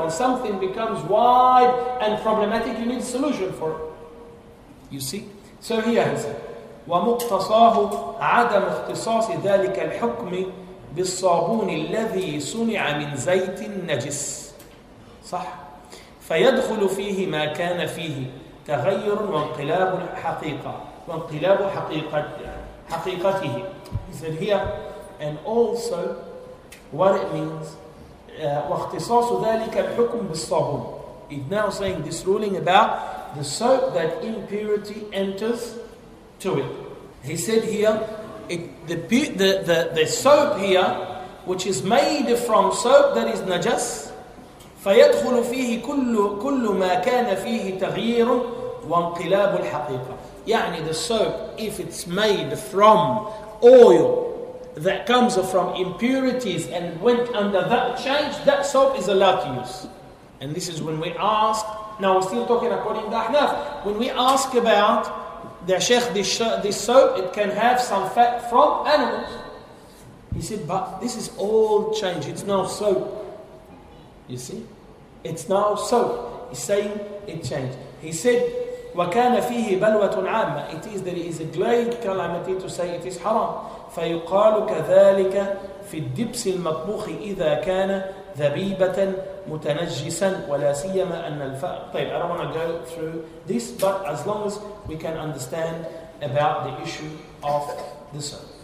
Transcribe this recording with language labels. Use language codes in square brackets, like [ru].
[en] When something becomes wide and problematic, you need a solution for it. You see? So here he said, [ar] ومقتصاه عدم اختصاص ذلك الحكم بالصابون الذي صنع من زيت النجس. صح؟ فيدخل فيه ما كان فيه تغير وانقلاب الحقيقة وانقلاب حقيقته. [en] He said here, and also what it means, [ar] واختصاص ذلك الحكم بالصابون. [en] It's now saying this ruling about the soap that impurity enters to it. He said here, the soap here, which is made from soap that is najas, [ar] فيدخل فيه كل ما كان فيه تغيير وانقلاب الحقيقة. [en] يعني the soap, if it's made from oil that comes from impurities and went under that change, that soap is allowed to use. And this is when we ask, now we're still talking according to Ahnaf, when we ask about the Sheikh, this soap, it can have some fat from animals. He said, but this is all change. It's now soap. You see? It's now soap. He's saying it changed. He said, [ar] وَكَانَ فِيهِ بَلْوَةٌ عَامَّةٌ. [en] It is, there is a great calamity to say it is haram. [ar] فَيُقَالُ كَذَلِكَ فِي الدِّبْسِ الْمَطْبُوخِ إِذَا كَانَ ذَبِيبَةً مُتَنَجِّسًا وَلَا سِيَّمَا أَنَّ الْفَأْ. [en] طيب, I don't want to go through this, but as long as we can understand about the issue of the soap.